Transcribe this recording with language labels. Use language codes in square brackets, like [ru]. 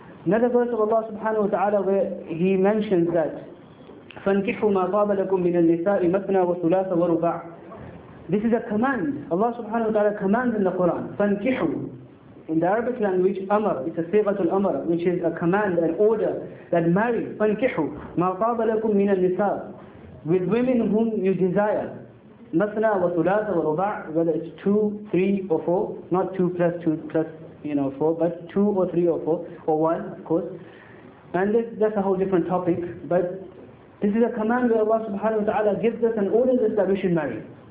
[en] Another verse of Allah subhanahu wa ta'ala where He mentions that, [ar] فَانْكِحُوا مَا طَابَ لَكُمْ مِنَ النِّسَاءِ مَثْنَى وَثُلَاثَ وَرُبَعَ. [en] This is a command. Allah subhanahu wa ta'ala commands in the Quran. [ar] فَانْكِحُوا. [en] In the Arabic language, Amr, it's a Sighatul Amr, which is a command, an order, that marry. [ar] فَانْكِحُوا مَا طَابَ لَكُمْ مِنَ النِّسَاءِ, [en] with women whom you desire. [ar] مَثْنَى وَثُلَاثَ وَرُبَعَ, [en] whether it's 2, 3, or 4, not 2 plus 2 plus 4, but 2 or 3 or 4, or 1, of course. And that's a whole different topic, but this is a command where Allah subhanahu wa ta'ala gives us and orders us that we should marry.